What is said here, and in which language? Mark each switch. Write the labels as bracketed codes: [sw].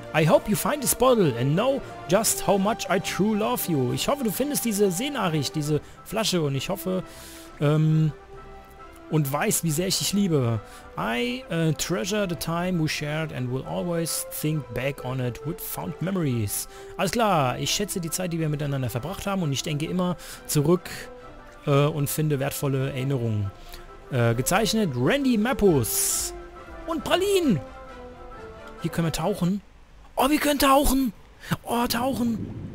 [en] I hope you find this bottle and know just how much I true love you. [de] Ich hoffe, du findest diese Seenachricht, diese Flasche, und ich hoffe, und weiß, wie sehr ich dich liebe. [en] I treasure the time we shared and will always think back on it with fond memories. [de] Alles klar, ich schätze die Zeit, die wir miteinander verbracht haben, und ich denke immer zurück und finde wertvolle Erinnerungen. Gezeichnet Randy Mappus. Und Pralinen. Hier können wir tauchen. Oh, wir können tauchen. Oh, tauchen.